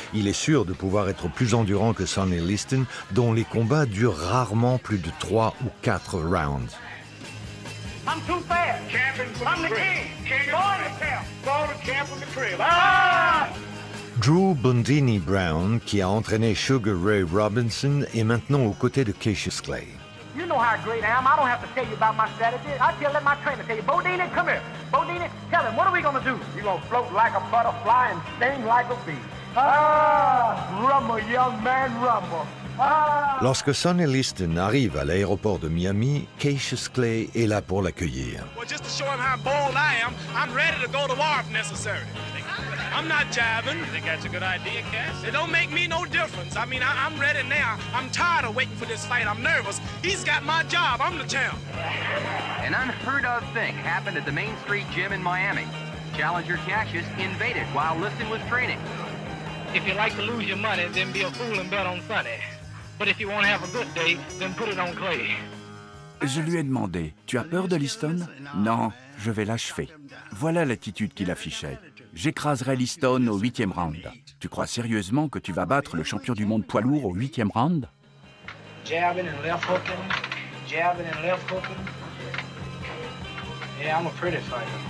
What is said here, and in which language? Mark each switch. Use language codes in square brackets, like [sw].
[fr] Il est sûr de pouvoir être plus endurant que Sonny Liston, dont les combats durent rarement plus de 3 ou 4 rounds. [en] I'm too fast. Champion I'm the king. Ball to camp. Ball to camp on the crib. [fr] Drew Bundini Brown, qui a entraîné Sugar Ray Robinson, est maintenant aux côtés de Cassius Clay. [en] You know how great I am. I don't have to tell you about my strategy. I just let my trainer tell you. Bodini, come here. Bodini, tell him, what are we going to do? You're going to float like a butterfly and sting like a bee. Rumble, young man, rumble. [fr] Lorsque Sonny Liston arrive à l'aéroport de Miami, Cassius Clay est là pour l'accueillir. [en] Well, just to show him how bold I am, I'm ready to go to war if necessary. I'm not jiving. You think that's a good idea, Cass? It don't make me no difference. I mean, I'm ready now. I'm tired of waiting for this fight. I'm nervous. He's got my job. I'm the champ. An unheard of thing happened at the Main Street gym in Miami. Challenger Cassius invaded while Liston was training. If you like to lose your money, then be a fool and bet on Sonny. But if you want to have a good day, then put it on Clay. [fr] Je lui ai demandé, tu as peur de Liston? Non, je vais l'achever. Voilà l'attitude qu'il affichait. J'écraserai Liston au 8e round. Tu crois sérieusement que tu vas battre le champion du monde poids lourd au 8e round? [en] Jabbing and left hooking. Jabbing and left hooking. Yeah, I'm a pretty fighter.